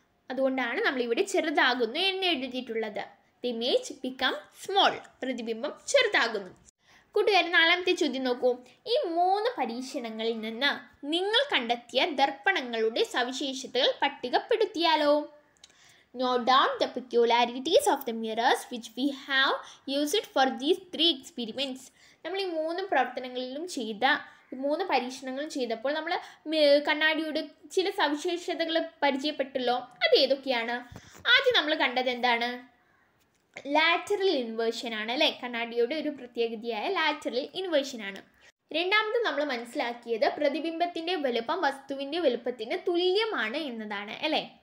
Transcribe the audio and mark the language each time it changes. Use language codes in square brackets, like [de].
[ml] അതുകൊണ്ടാണ് നമ്മൾ ഇവിടെ ചെറുതാകുന്നു എന്ന് എഴുതിയിട്ടുള്ളത്. [en] the image become small, [ml] പ്രതിബിംബം ചെറുതാകുന്നു. കൂട്ടുകാരെ, നാലാമത്തെ ചോദ്യം നോക്കൂ. ഈ മൂന്ന് പരീക്ഷണങ്ങളിൽ നിന്ന് നിങ്ങൾ കണ്ടെത്തിയ ദർപ്പണങ്ങളുടെ സവിശേഷതകൾ പട്ടികപ്പെടുത്തിയാലോ? [en] Note down the peculiarities of the mirrors which we have used for these three experiments. [ml] നമ്മൾ ഈ മൂന്ന് പ്രവർത്തനങ്ങളിലും ചെയ്ത മൂന്ന് പരീക്ഷണങ്ങളും ചെയ്തപ്പോൾ നമ്മൾ കണ്ണാടിയുടെ ചില സവിശേഷതകൾ പരിചയപ്പെട്ടല്ലോ. അത് ഏതൊക്കെയാണ്? ആദ്യം നമ്മൾ കണ്ടത് എന്താണ്? ലാറ്ററൽ ഇൻവേർഷൻ ആണ് അല്ലേ. കണ്ണാടിയുടെ ഒരു പ്രത്യേകതയായ ലാറ്ററൽ ഇൻവേർഷൻ ആണ്. രണ്ടാമത് നമ്മൾ മനസ്സിലാക്കിയത് പ്രതിബിംബത്തിൻ്റെ വലുപ്പം വസ്തുവിൻ്റെ വലുപ്പത്തിന് തുല്യമാണ് എന്നതാണ് അല്ലേ.